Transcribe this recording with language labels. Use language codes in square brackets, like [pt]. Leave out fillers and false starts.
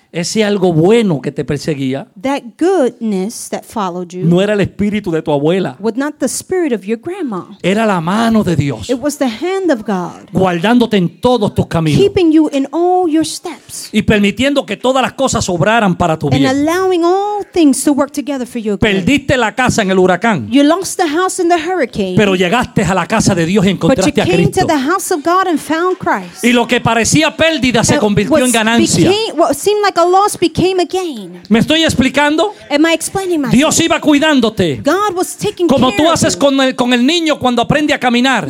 [es] Ese algo bueno que te perseguía, [en] that goodness that followed you, [es] no era el espíritu de tu abuela. [en] Was not the spirit of your grandma. [es] Era la mano de Dios. [en] It was the hand of God. [es] Guardándote en todos tus caminos. [en] Keeping you in all your steps. [es] Y permitiendo que todas las cosas obraran para tu bien. [en] And allowing all things to work together for your good. [es] Perdiste la casa en el huracán. [en] You lost the house in the hurricane. [es] Pero llegaste a la casa de Dios y encontraste a Cristo. [en] But you came to the house of God and found Christ. [es] Y lo que parecía pérdida [en] and [es] se convirtió en ganancia. [en] What seemed like a loss became a gain. [es] ¿Me estoy explicando? [en] Am I explaining myself? [es] Dios iba cuidándote. [en] God was taking care of you. [es] Como tú haces con el niño cuando aprende a caminar.